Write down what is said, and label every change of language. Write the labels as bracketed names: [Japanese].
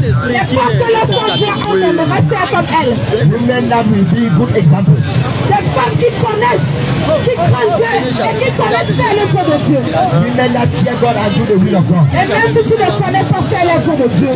[French] Des femmes que l'enfant aimerait faire comme elles. [English] Women that will be good examples. [French] Des femmes qui connaissent, qui craignent et qui connaissent faire le plan de Dieu. [English] Women that fear God and do the will of God. [French] Et même si tu ne connais pas faire les choses de Dieu.